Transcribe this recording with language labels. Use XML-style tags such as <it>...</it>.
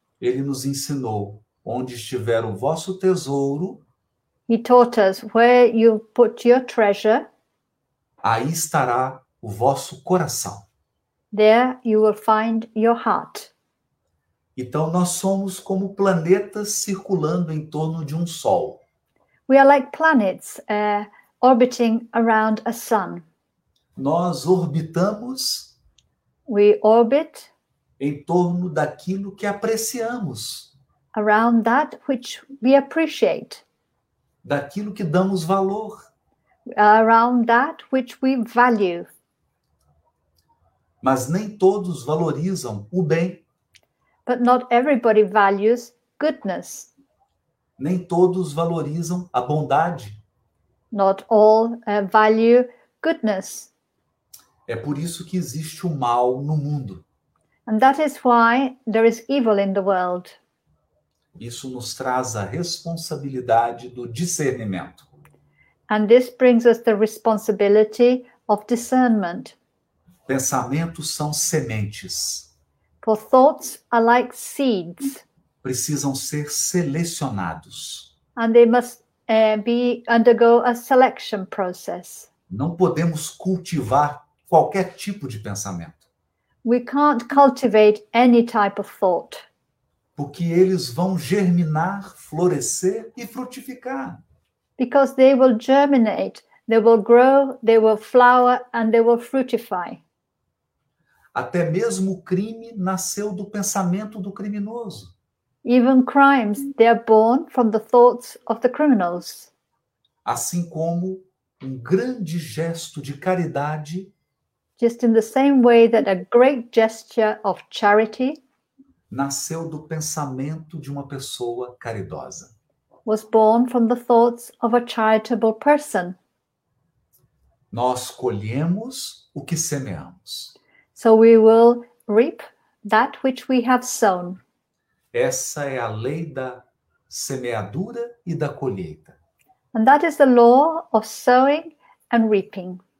<pt>Ele nos ensinou, onde estiver o vosso tesouro,</pt> <en>he taught us, where you put your treasure,</en> <pt>aí estará o vosso coração.</pt> <en>There you will find your heart.</en> <pt>Então, nós somos como planetas circulando em torno de um sol.</pt> <en>We are like planets orbiting around a sun.</en> <pt>Nós orbitamos.</pt> <en>We orbit.</en> <pt>Em torno daquilo que apreciamos.</pt> <en>Around that which we appreciate.</en> <pt>Daquilo que damos valor.</pt> <en>Around that which we value.</en> <pt>Mas nem todos valorizam o bem.</pt> <en>But not everybody values goodness.</en> <pt>Nem todos valorizam a bondade.</pt> <en>Not all value goodness.</en> <pt>É por isso que existe o mal no mundo.</pt> <en>And that is why there is evil in the world.</en> <pt>Isso nos traz a responsabilidade do discernimento.</pt> <en>And this brings us the responsibility of discernment.</en> <pt>Pensamentos são sementes.</pt> <en>For thoughts are like seeds.</en> <pt>Precisam ser selecionados.</pt> <en>And they must undergo a selection process.</en> <pt>Não podemos cultivar qualquer tipo de pensamento.</pt> <en>We can't cultivate any type of thought.</en> <pt>Porque eles vão germinar, florescer e frutificar.</pt> <en>Because they will germinate, they will grow, they will flower and they will fruitify.</en> <pt>Até mesmo o crime nasceu do pensamento do criminoso.</pt> <en>Even crimes, they are born from the thoughts of the criminals.</en> <pt>Assim como um grande gesto de caridade.</pt> <en>Just in the same way that a great gesture of charity.</en> <pt>Nasceu do pensamento de uma pessoa caridosa.</pt> <en>Was born from the thoughts of a charitable person.</en> <pt>Nós colhemos o que semeamos.</pt> <en>So we will reap that which we have sown.</en> <pt>Essa é a lei da semeadura e da colheita.</pt> <en>And that is the law of sowing and reaping.</en>